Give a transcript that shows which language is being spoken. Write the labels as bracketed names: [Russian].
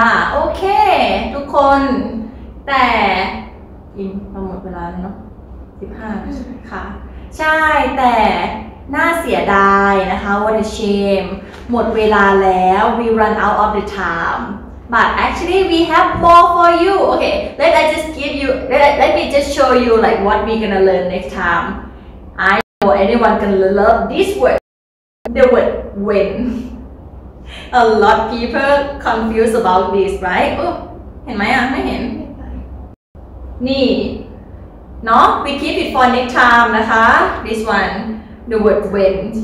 [Thai] โอเคทุกคนแต่อินเราหมดเวลาแล้วเนาะ15ค่ะใช่แต่น่าเสียดายนะคะ [English] What a shame [Thai] หมดเวลาแล้ว [English] We run out of the timeBut actually we have more for you. Okay, let me just show you like what we're gonna learn next time. I know anyone can love this word. The word when. A lot of people confused about this, right? Oh, [Thai] เห็นไหมอ่ะไม่เห็นนี่เนาะ [English] we keep it for next time นะคะ this one the word when.